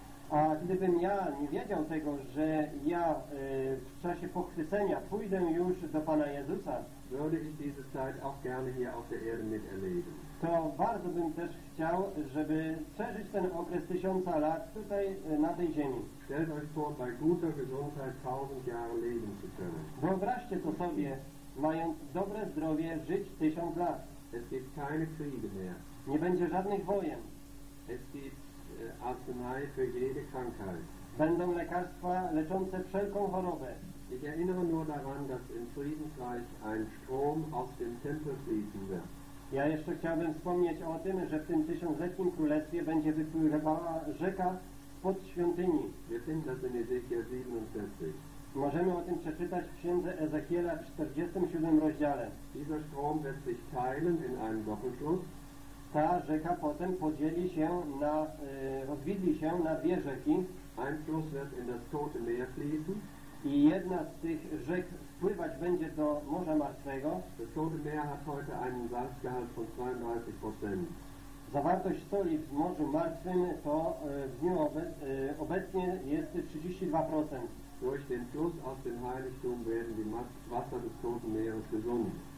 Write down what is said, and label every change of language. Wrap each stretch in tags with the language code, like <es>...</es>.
<pl>a gdybym ja nie wiedział tego, że ja w czasie pochwycenia pójdę już do Pana Jezusa,</pl> <de>würde ich diese Zeit auch gerne hier auf der Erde miterleben.</de> <pl>To bardzo bym też chciał, żeby przeżyć ten okres 1000 lat tutaj na tej ziemi.</pl> <de>Stellt euch vor, bei guter Gesundheit 1000 Jahre leben zu können.</de> <pl>Wyobraźcie to sobie, mając dobre zdrowie, żyć 1000 lat.</pl> <de>Es gibt keine Kriege mehr.</de> <pl>Nie będzie żadnych wojen.</pl> <de>Es gibt Arznei für jede Krankheit.</de> <pl>Będą lekarstwa leczące wszelką chorobę.</pl> <de>Ich erinnere nur daran, dass im Friedensreich ein Strom aus dem Tempel fließen wird.</de> <pl>Ja jeszcze chciałbym wspomnieć o tym, że w tym tysiącletnim królestwie będzie wypływała rzeka spod świątyni.</pl> <de>Wir finden das in Ezechiel 47.</de> <pl>Możemy o tym przeczytać w Księdze Ezechiela w 47 rozdziale.</pl> <de>Dieser Strom wird sich teilen in einem Doppelfluss.</de> <pl>Ta rzeka potem podzieli się na, rozwidli się na dwie rzeki.</pl> <de>Ein Fluss wird in das Tote Meer fließen.</de> <pl>I jedna z tych rzek wpływać będzie do Morza Martwego.</pl> <de>Das Tote Meer hat heute einen Salzgehalt von 32%.</de> <pl>Zawartość soli w Morzu Martwym to w dniu obecnie jest 32%.</pl> <de>Durch den Fluss aus dem Heiligtum werden die Wasser des Toten Meeres gesund.</de>